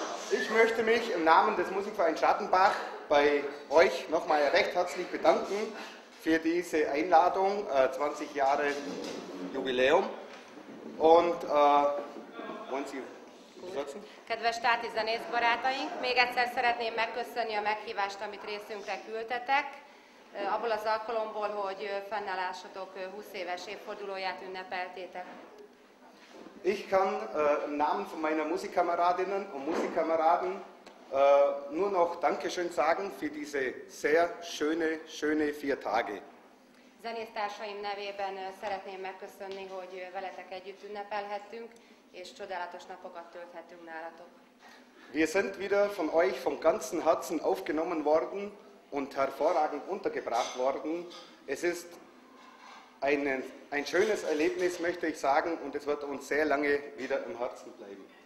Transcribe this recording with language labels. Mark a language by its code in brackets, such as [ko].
[de] Ich möchte mich im Namen des Musikvereins Schattenbach bei euch nochmal recht herzlich bedanken für diese Einladung, 20 Jahre Jubiläum. Und wollen Sie besetzen? [hu] Kedves Tati zenészbarátaink, még egyszer szeretném megköszönni a meghívást, amit részünkre küldtetek. Abból az alkalomból, hogy fennállásotok 20 éves évfordulóját ünnepeltétek. [de] Ich kann im Namen von meiner Musikkameradinnen und Musikkameraden nur noch Dankeschön sagen für diese sehr schöne vier Tage. [hu] Zenésztársaim nevében szeretném megköszönni, hogy veletek együtt ünnepelhettünk, és csodálatos napokat tölthettünk nálatok. [de] Wir sind wieder von euch von ganzem Herzen aufgenommen worden und hervorragend untergebracht worden. Es ist ein schönes Erlebnis, möchte ich sagen, und es wird uns sehr lange wieder im Herzen bleiben.